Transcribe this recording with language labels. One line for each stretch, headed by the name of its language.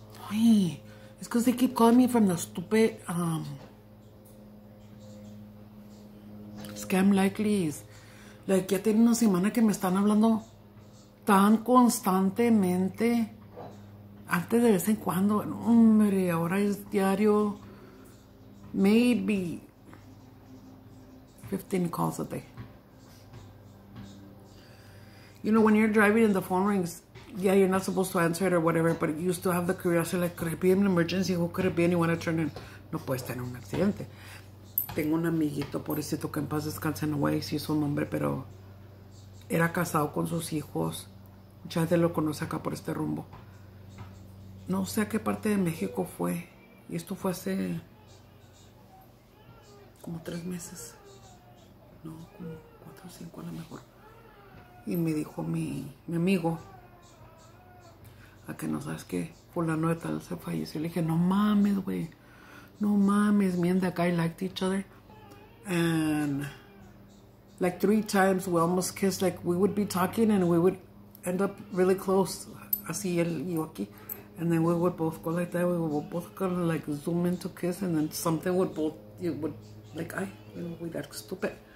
English: Ay, it's because they keep calling me from the stupid scam likelies.
Spanish: Like ya tiene una semana que me están hablando tan constantemente. Antes de vez en cuando, hombre, ahora es diario.
English: Maybe 15 calls a day. You know, when you're driving and the phone rings, yeah, you're not supposed to answer it or whatever, but you still have the curiosity, like, could it be an emergency? Who could it be? And you want to turn in.
Spanish: No puedes tener un accidente. Tengo un amiguito, pobrecito, que en paz descanse, no voy a decir su nombre, pero era casado con sus hijos. Mucha gente lo conoce acá por este rumbo. No sé a qué parte de México fue. Y esto fue hace como 3 meses, no, como 4 o 5 a lo mejor. Y me dijo mi amigo, a que no sabes que fulano de tal se falleció. Le dije, no mames, güey, no mames,
English: me and that guy liked each other. And like 3 times we almost kissed, like we would be talking and we would end up really close,
Spanish: así él y yo aquí.
English: And then we would both go like that, we would both kind of like zoom in to kiss and then something would both, it would, like, ay, you know, we got stupid.